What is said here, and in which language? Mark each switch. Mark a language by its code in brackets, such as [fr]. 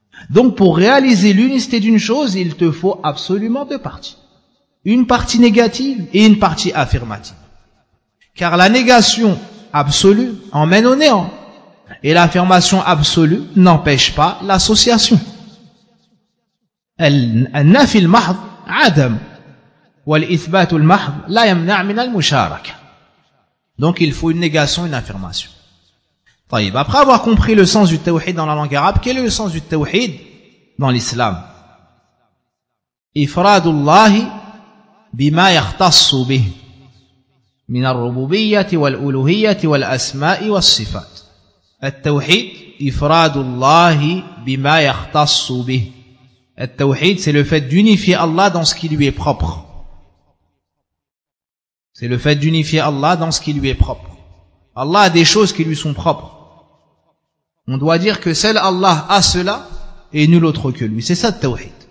[fr] Donc pour réaliser l'unicité d'une chose, il te faut absolument deux parties. Une partie négative et une partie affirmative. Car la négation absolue emmène au néant. Et l'affirmation absolue n'empêche pas l'association. [ar] النفي المحض عدم والإثبات المحض لا يمنع من المشاركة. [fr] Donc il faut une négation et une affirmation. طيب, après avoir compris le sens du tawhid dans la langue arabe, quel est le sens du tawhid dans l'islam? [ar] إفراد الله بما يختص به من الربوبية والألوهية والأسماء والصفات. التوحيد إفراد الله بما يختص به. [fr] التوحيد c'est le fait d'unifier Allah dans ce qui lui est propre. C'est le fait d'unifier Allah dans ce qui lui est propre. Allah a des choses qui lui sont propres. On doit dire que seul Allah a cela et nul autre que lui. C'est ça le tawhid.